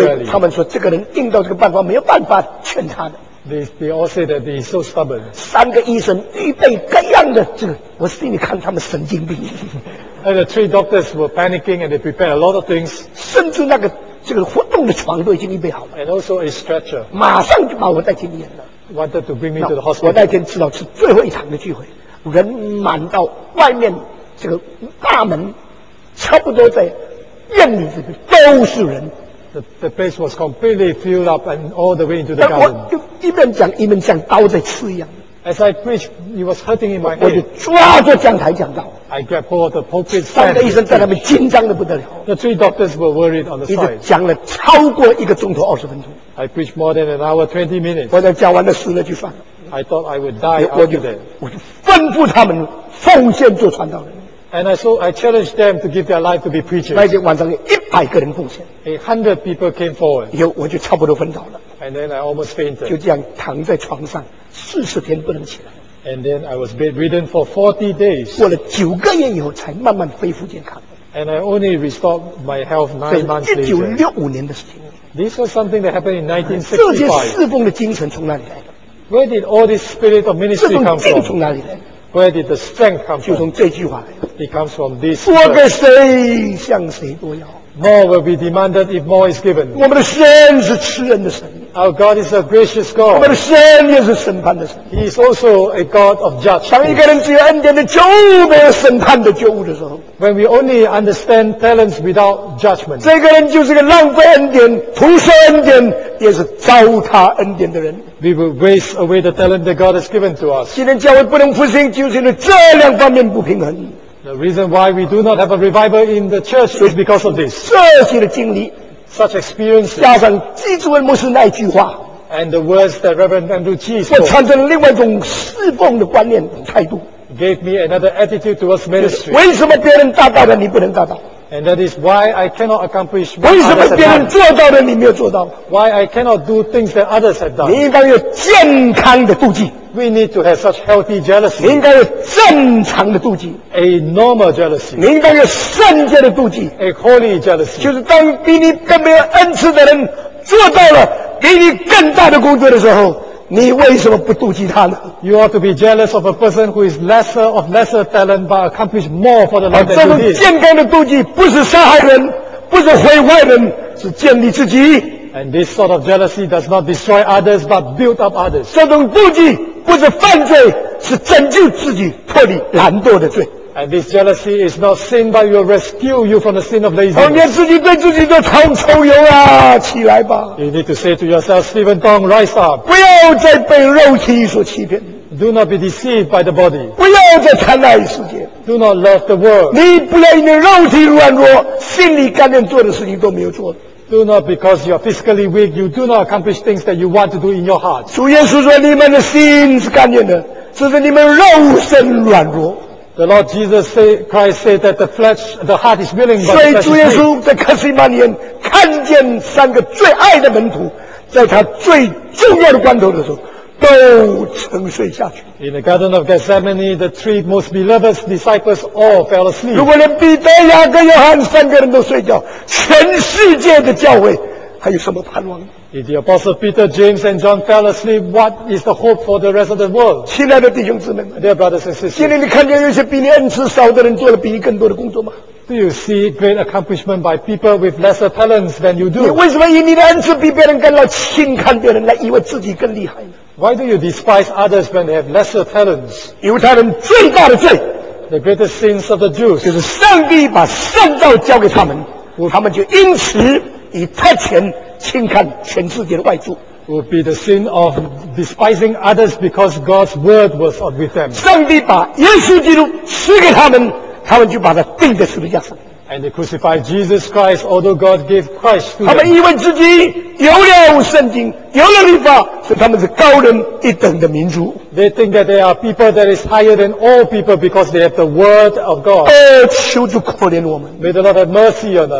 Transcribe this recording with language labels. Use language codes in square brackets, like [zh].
[zh] 所以他们说这个人硬到这个办法，没有办法劝他的。 [en] They all say that he's so stubborn. [zh] 三个医生预备各样的，这个我心里看他们神经病。 [en] And the 3 doctors were panicking and they prepared a lot of things. [zh] 甚至那个。这个活动的床都已经预备好了 [en] ，and also a stretcher， [zh] 马上就把我带进医院了。 [en] Wanted to bring me to the hospital。 [zh] 我那天知道是最后一场的聚会，人满到外面这个大门，差不多在院里这个都是人。 [en] The place was completely filled up and all the way into the garden。 [zh] 我就一边讲一边像刀在刺一样。 [en] As I preached, it was hurting in my head。 [zh] 我就抓住讲台讲道。 [en] I grabbed hold of the pulpit. [zh] 三个医生在那边紧张的不得了。 [en] The 3 doctors were worried on the side. [zh] 一直讲了超过1个钟头20分钟。 [en] I preached more than an hour 20 minutes. [zh] 我讲完了死了就算了。 [en] I thought I would die after that. [zh] 我就吩咐他们奉献做传道人。 [en] And I challenged them to give their life to be preachers. [zh] 那天晚上有100个人奉献。 [en] 100 people came forward. [zh] 以后我就差不多昏倒了。 [en] And then I almost fainted. [zh] 就这样躺在床上40天不能起来。 [en] And then I was bedridden for 40 days. [zh] 过了9个月以后才慢慢恢复健康。 [en] And I only restored my health 9 months later. [zh] 1965年的事情。 [en] This was something that happened in 1965. [zh] 这些侍奉的精神从哪里来的？ [en] Where did all this spirit of ministry come from? [zh] 这种劲从哪里来的？ [en] Where did the strength come from? [zh] 就从这句话来的。 [en] It comes from this. [zh] 多给谁，向谁多要。 [en] More will be demanded if more is given. [zh] 我们的神是慈恩的神。 [en] Our God is a gracious God. [zh] 我们的神也是审判的神。 [en] He is also a God of judgment. [zh] 当一个人只有恩典的救恩，没有审判的救恩的时候。 [en] When we only understand talents without judgment. [zh] 这个人就是个浪费恩典、徒受恩典，也是糟蹋恩典的人。 [en] We will waste away the talent that God has given to us. [zh] 今天教会不能复兴，就是因为这两方面不平衡。 [en] The reason why we do not have a revival in the church is because of this. [zh] 这些的经历 [en] such experiences, [zh] 加上基督恩牧师那句话 [en] and the words that Reverend Andrew Chi spoke, [zh] 我产生了另外一种侍奉的观念态度 [en] gave me another attitude towards ministry. [zh] 为什么别人达到了你不能达到？ [en] And that is why I cannot accomplish. [zh] 为什么别人做到了你没有做到？ [en] Why I cannot do things that others have done. [zh] 你应该有健康的妒忌。 [en] We need to have such healthy jealousy. [zh] 你应该有正常的妒忌 [en] ，a normal jealousy. [zh] 你应该有圣洁的妒忌 [en] ，a holy jealousy. [zh] 就是当比你更没有恩赐的人做到了给你更大的工作的时候，你为什么不妒忌他呢 [en] ？You ought to be jealous of a person who is lesser of lesser talent but accomplish more for the Lord than you did. [zh] 这种健康的妒忌不是杀害人，不是毁坏人，是建立自己。 [en] And this sort of jealousy does not destroy others but build up others. [zh] 这种妒忌。不是犯罪，是拯救自己脱离懒惰的罪。 [en] And this jealousy is not sin, but will rescue you from the sin of laziness. [zh] 你连自己对自己都常抽油啊，起来吧。 [en] You need to say to yourself, Stephen Tong, rise up. [zh] 不要再被肉体所欺骗。 [en] Do not be deceived by the body. [zh] 不要再贪爱世界。 [en] Do not love the world. [zh] 你不要因为肉体软弱，心里甘愿做的事情都没有做。 [en] Do not because you are physically weak, you do not accomplish things that you want to do in your heart. [zh] 主耶稣说你们的心是干硬的，只是你们肉身软弱。 [en] The Lord Jesus say, Christ said that the flesh, the heart is willing, but the flesh is weak. [zh] 所以主耶稣在克西马尼园看见三个最爱的门徒，在他最重要的关头的时候。都沉睡下去。 [en] In the Garden of Gethsemane, the three most beloved disciples all fell asleep. [zh] 如果连彼得、雅各、约翰三个人都睡觉，全世界的教会还有什么盼望？ [en] If the apostles Peter, James, and John fell asleep, what is the hope for the rest of the world? [zh] 亲爱的弟兄姊妹们 [en] ，Dear brothers and sisters, [zh] 今天你看见有些比你恩赐少的人做了比你更多的工作吗？ [en] Do you see great accomplishment by people with lesser talents than you do? [zh] 你为什么以你的恩赐比别人更老，轻看别人，来以为自己更厉害呢？ [en] Why do you despise others when they have lesser talents? [zh] 因为他们最大的罪 [en] ，the greatest sins of the Jews, [zh] 就是上帝把圣道交给他们，他们就因此以特权轻看全世界的外族。 [en] Will be the sin of despising others because God's word was not with them. [zh] 上帝把耶稣基督赐给他们。他们就把他钉在十字架上。 [en] And they crucified Jesus Christ, although God gave Christ to them. [zh] 他们以为自己有了圣经，有了律法，所以他们是高人一等的民族。 [en] They think that they are people that is higher than all people because they have the word of God. [zh] 哦，求主可怜我们。 [en] May the Lord have mercy on us.